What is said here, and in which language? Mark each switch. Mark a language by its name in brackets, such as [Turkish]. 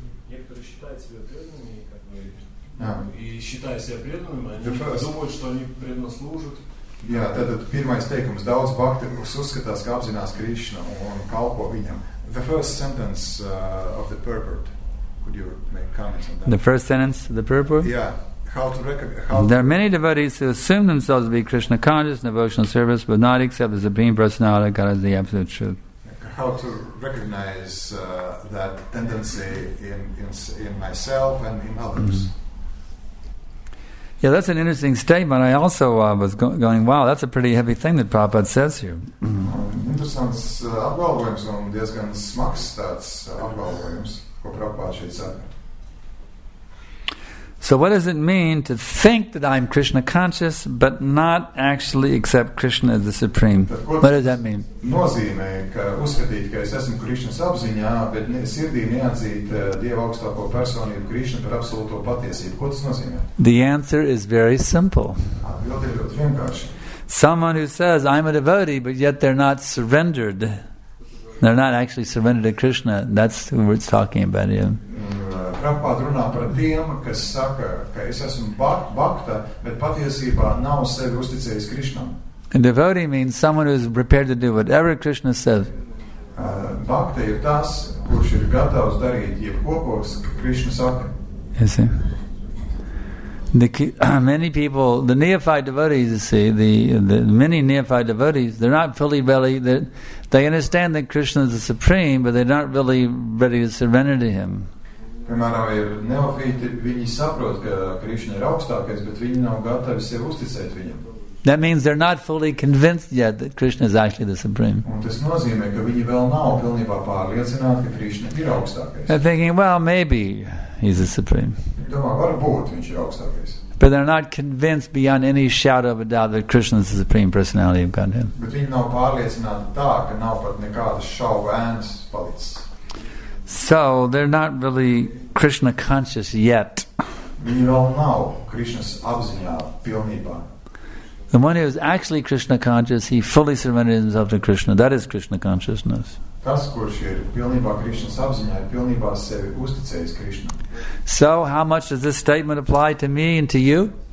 [Russian] некоторые считают себя преданными, как бы, и считая себя преданными, они думают, что они преданно служат. [Latvian] Jā, tad pirmais teikums, daudz bhakti uzskatās, ka apzinās Krišna un kalpo viņam. [English] The first sentence of the purport, could you make comments on that? The first sentence of the purport? Yeah. How to recognize? There are many devotees who assume themselves to be Krishna conscious, devotional service, but not accept the Supreme Personality of God as the Absolute Truth. How to recognize that tendency in myself and in others? Mm. Yeah, that's an interesting statement. I also was going, wow, that's a pretty heavy thing that Prabhupada says here. [Latvian] Interesting apgalvojums un diezgan smags tāds apgalvojums, ko Prabhupada šeit saka. [English] So what does it mean to think that I'm Krishna conscious but not actually accept Krishna as the Supreme? What does that mean? [Latvian] Nozīmē, ka uzskatīt, ka es esmu Krishnas apziņā, bet sirdī neatzīt Dieva augstāko personību Krishna par absolūto patiesību. Ko tas nozīmē? [English] The answer is very simple. [Latvian] Ļoti, ļoti vienkārši. [English] Someone who says, I'm a devotee, but yet they're not surrendered. They're not actually surrendered to Krishna. That's who we're talking about here. [Latvian] Prabhupāda runā par tiem, kas saka, ka es esmu bhakta, bet patiesībā nav sevi uzticējis Krishnam. [English] And devotee means someone who is prepared to do whatever Krishna says. [Latvian] Bhakta ir tas, kurš ir gatavs darīt jebko, ko Krishna saka. [English] You see? Many people, the neophyte devotees, you see, the many neophyte devotees, they're not fully ready. They understand that Krishna is the supreme, but they're not really ready to surrender to him. [Latvian] Piemēram, ir neofīti, viņi saprot, ka Krishna ir augstākais, bet viņi nav gatavi sevi uzticēt viņam. [English] That means they're not fully convinced yet that Krishna is actually the supreme. [Latvian] Un tas nozīmē, ka viņi vēl nav pilnībā pārliecināti, ka Krishna ir augstākais. [English] They're thinking, well, maybe he's the supreme. [Latvian] Domā, varbūt viņš ir augstākais. [English] But they're not convinced beyond any shadow of a doubt that Krishna is the supreme personality of Godhead. [Latvian] Bet viņi nav pārliecināti tā, ka nav pat nekādas šaubas palicis. [English] So they're not really Krishna conscious yet. [Latvian] Viņi vēl nav Krishnas apziņā pilnībā. [English] The one who is actually Krishna conscious, he fully surrendered himself to Krishna. That is Krishna consciousness. [Latvian] Tas, kurš ir pilnībā Krishnas apziņā, ir pilnībā sevi uzticējis Krishna. [English] So how much does this statement apply to me and to you?